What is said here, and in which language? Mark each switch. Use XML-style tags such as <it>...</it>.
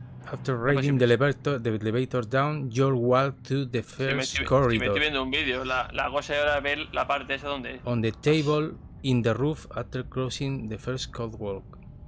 <en>After raising the elevator down, you'll walk to the first corridor.</en> <es>Estoy viendo un vídeo, la cosa ahora es ver la parte esa donde.</es> <en>On the table in the roof after crossing the first cold walk.</en>